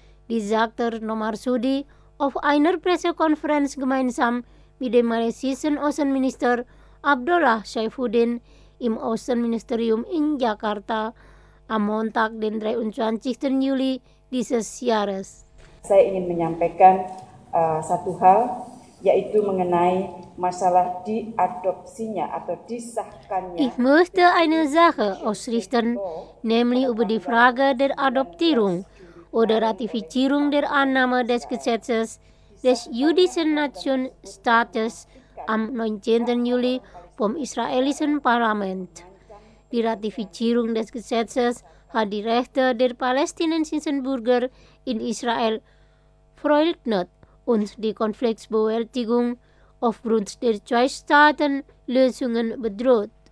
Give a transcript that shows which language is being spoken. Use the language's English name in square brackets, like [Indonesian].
[German] Dies sagte Retno Marsudi auf einer Pressekonferenz gemeinsam mit dem malaysischen Außenminister Abdullah Saifuddin im Außenministerium in Jakarta am Montag, den 23. Juli dieses Jahres. [Indonesian] Saya ingin menyampaikan satu hal, yaitu mengenai masalah diadopsinya atau disahkannya. [German] Ich möchte eine Sache ausrichten, nämlich über die Frage der Adoptierung oder Ratifizierung der Annahme des Gesetzes des jüdischen Nationstaates am 19. Juli vom israelischen Parlament. Die Ratifizierung des Gesetzes hat die Rechte der palästinensischen Bürger in Israel verleugnet und die Konfliktbewältigung aufgrund der Zwei-Staaten-Lösungen bedroht.